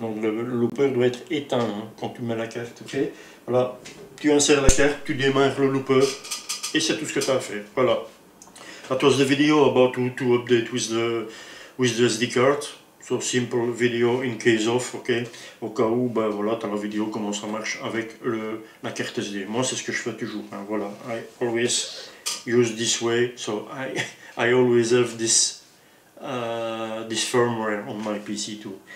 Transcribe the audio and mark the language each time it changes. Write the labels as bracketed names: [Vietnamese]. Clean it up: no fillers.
[French] Donc le looper doit être éteint, hein, quand tu mets la carte, okay? Voilà. Tu insères la carte, tu démarres le looper, et c'est tout ce que tu as à faire. Voilà. [English] That was the video about to update with the SD card. So simple video in case of, ok. [French] Au cas où, ben voilà, tu as la vidéo comment ça marche avec la carte SD. Moi, c'est ce que je fais toujours. Hein. Voilà. [English] I always use this way. So I always have this firmware on my PC too.